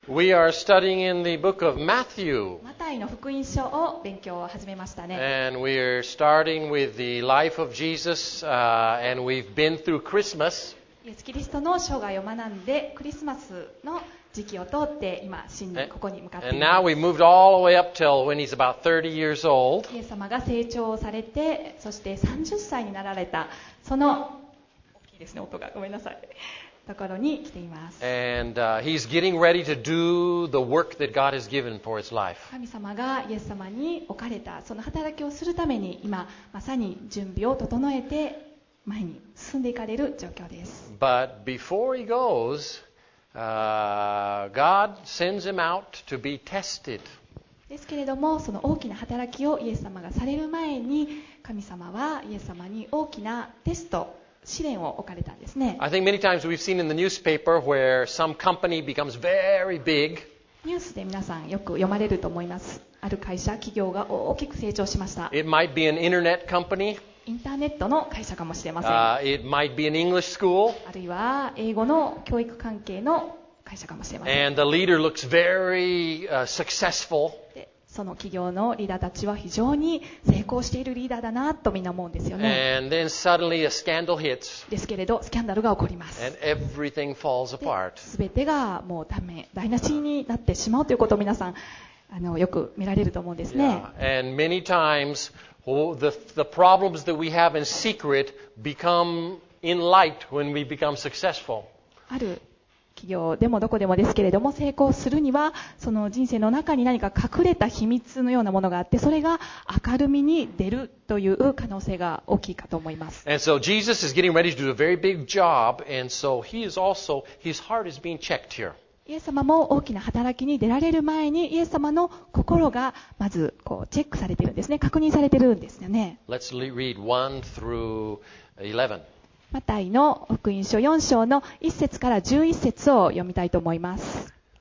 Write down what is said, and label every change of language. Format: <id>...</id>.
<en>We are studying in the book of Matthew.</en> <ja>マタイの福音書を勉強を始めましたね。</ja> <en>And we are starting with the life of Jesus, and we've been through Christmas.</en> <ja>イエス・キリストの生涯を学んで、クリスマスの時期を通って今、新年ここに向かっています。</ja> <en>And now we've moved all the way up till when he's about 30 years old.</en> <ja>イエス様が成長されて、そして30歳になられた、その、大きいですね、音が。ごめんなさい。ところに来ています。</ja> <en>And he's getting ready to do the work that God has given for his life.</en> <ja>神様がイエス様に置かれたその働きをするために今まさに準備を整えて前に進んでいかれる状況です。</ja> <en>But before he goes, God sends him out to be tested.</en> <ja>ですけれどもその大きな働きをイエス様がされる前に神様はイエス様に大きなテスト試練を置かれたんですね。</ja> <en>I think many times we've seen in the newspaper where some company becomes very big.</en> <ja>ニュースで皆さんよく読まれると思います。ある会社、企業が大きく成長しました。</ja> <en>It might be an internet company.</en> <ja>インターネットの会社かもしれません。</ja> <en>It might be an English school.</en> <ja>あるいは英語の教育関係の会社かもしれません。</ja> <en>And the leader looks very successful.</en> <ja>その企業のリーダーたちは非常に成功しているリーダーだなとみんな思うんですよね。</ja> <en>And then suddenly a scandal hits.</en> <ja>ですけれどスキャンダルが起こります。</ja> <en>And everything falls apart.</en> <ja>全てがもうダメ、台無しになってしまうということを皆さんよく見られると思うんですね。</ja> <en>Yeah. And many times the problems that we have in secret become in light when we become successful.</en> <ja>ある企業でもどこでもですけれども成功するにはその人生の中に何か隠れた秘密のようなものがあってそれが明るみに出るという可能性が大きいかと思います。</ja> <en>And so Jesus is getting ready to do a very big job, and so he is also, his heart is being checked here.</en> <ja>イエス様も大きな働きに出られる前にイエス様の心がまずこうチェックされているんですね。確認されているんですよね。</ja> <en>Let's read 1 through 11.</en> <ja>マタイの福音書4章の1節から11節を読みたいと思います。</ja>